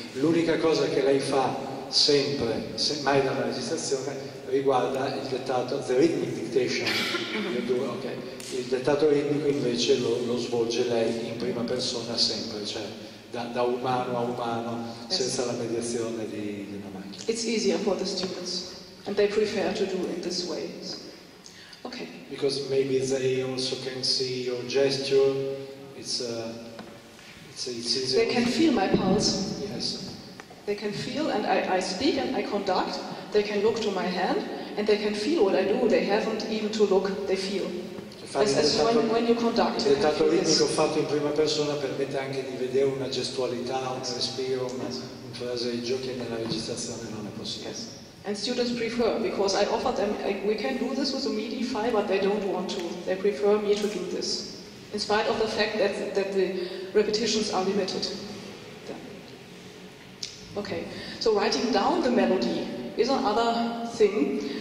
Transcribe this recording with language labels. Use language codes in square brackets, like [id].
[it] L'unica cosa che lei fa sempre, se mai dalla registrazione, riguarda il dettato, [en] the rhythmic dictation. [it] Okay. Il dettato ritmico invece lo svolge lei in prima persona sempre, cioè da umano a umano, senza la mediazione di una macchina. [en] It's easier for the students, and they prefer to do it this way. Okay. Because maybe they also can see your gesture. It's easier. They can feel my pulse. Yes. They can feel, and I speak and I conduct. They can look to my hand, and they can feel what I do. They haven't even to look. They feel. [it] Il dettato ritmico fatto in prima persona permette anche di vedere una gestualità, un respiro, un fraseggio che nella registrazione non è possibile. [en] Yes. And students prefer, because I offer them, we can do this with a MIDI file, but they don't want to. They prefer me to do this, in spite of the fact that the repetitions are limited. Okay, so writing down the melody is another thing.